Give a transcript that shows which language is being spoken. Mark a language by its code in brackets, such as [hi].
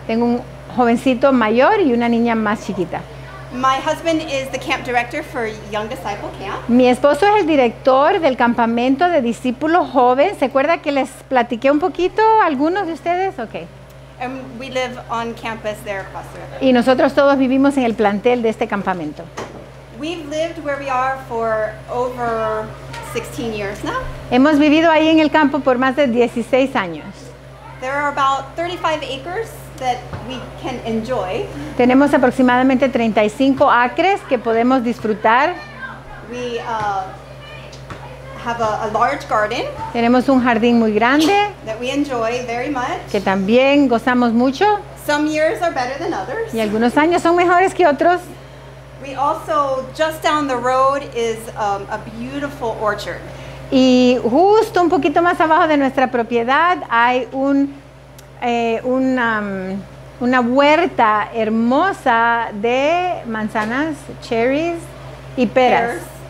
[es] Tengo un jovencito mayor y una niña más chiquita. [en] My husband is the camp director for Young Disciple Camp. [es] Mi esposo es el director del campamento de discípulos jóvenes. ¿Se acuerda que les platiqué un poquito a algunos de ustedes? [en] Okay. And we live on campus there across the river. [es] Y nosotros todos vivimos en el plantel de este campamento. [en] We've lived where we are for over 16 years now. [es] Hemos vivido ahí en el campo por más de 16 años. [en] There are about 35 acres that we can enjoy. [es] Tenemos aproximadamente 35 acres que podemos disfrutar. [en] We have a large garden. [es] Tenemos un jardín muy grande [en] that we enjoy very much. [es] Que también gozamos mucho. [en] Some years are better than others. [es] Y algunos años son mejores que otros. [en] We also just down the road is a beautiful orchard. [es] Y justo un poquito más abajo de nuestra propiedad hay una huerta hermosa de manzanas, cherries y peras.